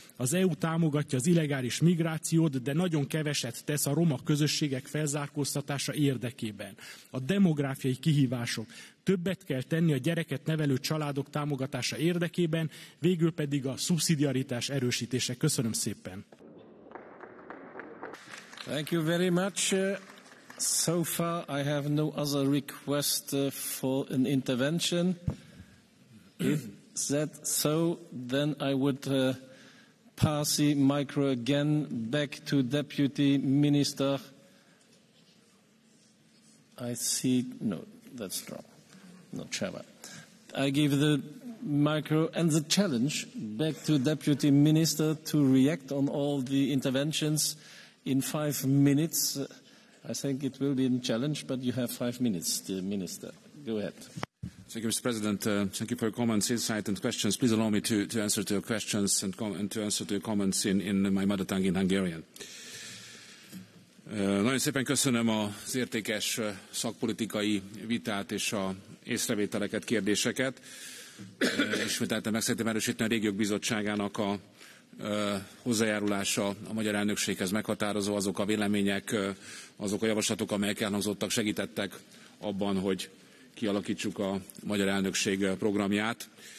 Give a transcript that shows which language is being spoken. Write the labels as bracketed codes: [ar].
[hu] Az EU támogatja az illegális migrációt, de nagyon keveset tesz a roma közösségek felzárkóztatása érdekében. A demográfiai kihívások. Többet kell tenni a gyereket nevelő családok támogatása érdekében, végül pedig a szubszidiaritás erősítése. Köszönöm szépen. [en] Thank you very much. So far I have no other request for an intervention. If that so, then I would pass the micro again back to Deputy Minister. I see, no, that's wrong. Not Trevor. I give the micro and the challenge back to Deputy Minister to react on all the interventions in 5 minutes. I think it will be a challenge, but you have 5 minutes, dear Minister. Go ahead. Thank you, Mr. President. Thank you for your comments, insight and questions. Please allow me to answer to your questions and to answer to your comments in my mother tongue, in Hungarian. [hu] Nagyon szépen köszönöm az értékes szakpolitikai vitát és a észrevételeket, kérdéseket. Ismételten meg szeretném erősíteni a régiók bizottságának a hozzájárulása a magyar elnökséghez meghatározó. Azok a vélemények, azok a javaslatok, amelyek elhangzottak, segítettek abban, hogy kialakítsuk a magyar elnökség programját.